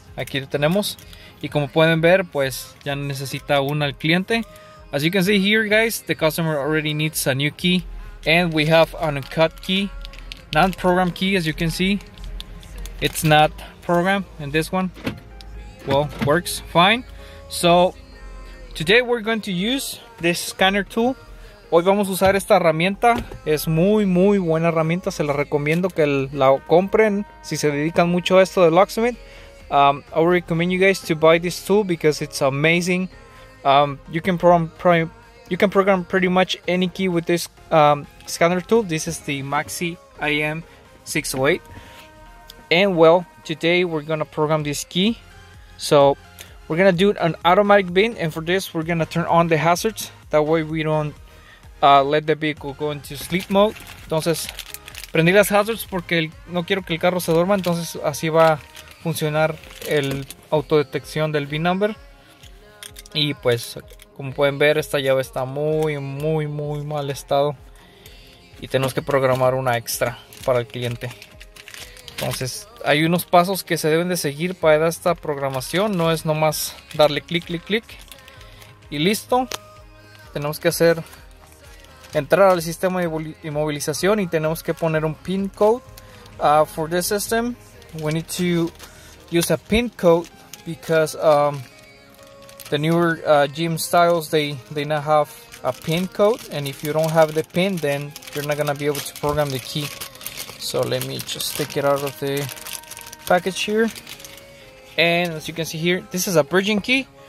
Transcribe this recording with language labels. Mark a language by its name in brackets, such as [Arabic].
[Spanish] Aquí lo tenemos, y como pueden ver, pues ya necesita una el cliente. [English] As you can see here, guys, the customer already needs a new key, and we have an uncut key, non-programmed key. As you can see, it's not programmed, and this one, well, works fine. So today we're going to use this scanner tool. [Spanish] Hoy vamos a usar esta herramienta. Es muy muy buena herramienta, se la recomiendo que la compren si se dedican mucho a esto de locksmith. [English] I would recommend you guys to buy this tool because it's amazing. You can program pretty much any key with this scanner tool. This is the Maxi IM608, and well, today we're gonna program this key. So we're gonna do an automatic bin, and for this we're gonna turn on the hazards, that way we don't let the vehicle go into sleep mode. [Spanish] Entonces prendí las hazards porque no quiero que el carro se duerma, entonces así va a funcionar el autodetección del bin number. Y pues, como pueden ver, esta llave está muy, muy, muy mal estado. Y tenemos que programar una extra para el cliente. Entonces, hay unos pasos que se deben de seguir para esta programación. No es nomás darle clic, clic, clic. Y listo. Tenemos que hacer entrar al sistema de inmovilización y tenemos que poner un pin code. [English] For this system, we need to use a pin code because the newer GM styles, they now have a pin code, and if you don't have the pin, then you're not gonna be able to program the key. So let me just take it out of the package here, and as you can see here, this is a bridging key.